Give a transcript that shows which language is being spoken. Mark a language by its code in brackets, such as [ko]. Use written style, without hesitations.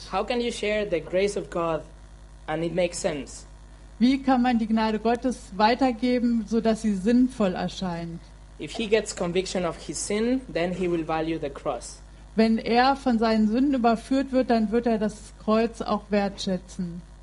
[en] How can you share the grace of God and it makes sense? [de] Wie kann man die Gnade Gottes weitergeben, so dass sie sinnvoll erscheint? [en] If he gets conviction of his sin, then he will value the cross. [de] Wenn er von seinen Sünden überführt wird, dann wird er das Kreuz auch wertschätzen.